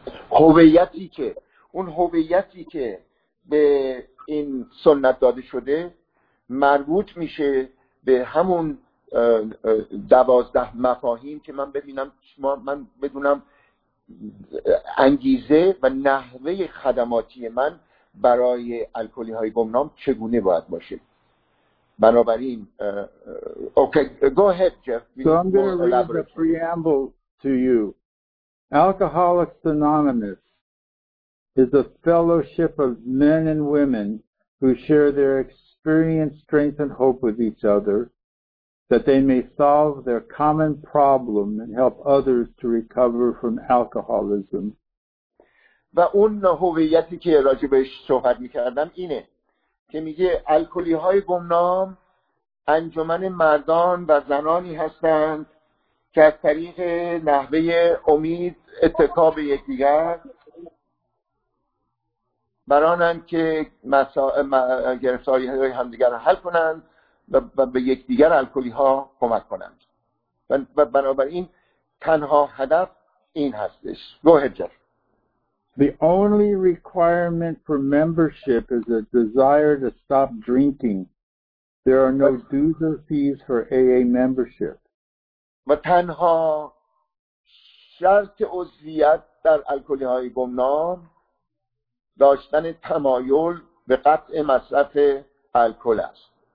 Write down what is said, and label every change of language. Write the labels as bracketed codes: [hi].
[fa] هویتی که به این سنت داده شده مربوط میشه به همون دوازده مفاهیم که من ببینم من بدونم انگیزه و نحوه خدماتی من برای الکلی های گمنام چگونه باید باشه. بنابراین [en] Okay go ahead Jeff. So I'm going to read the preamble to you. Alcoholics Anonymous is a fellowship of men and women who share their experience, strength and hope with each other that they may solve their common problem and help others to recover from alcoholism. [fa] و اون هویتی که راجع بهش صحبت می‌کردم اینه که میگه الکلی‌های گمنام انجمن مردان و زنانی هستند که از طریق نحوه امید اتکا به یکدیگر برانند که گرفتاری‌های همدیگر را حل کنند و به یک دیگر الکلی ها کمک کنند. و بنابراین تنها هدف این هستش. [en] Go ahead, Jeff. The only requirement for membership is a desire to stop drinking. There are no dues or fees for AA membership. [fa] و تنها شرط عضویت در الکلی های گمنام داشتن تمایل به قطع مصرف الکل است.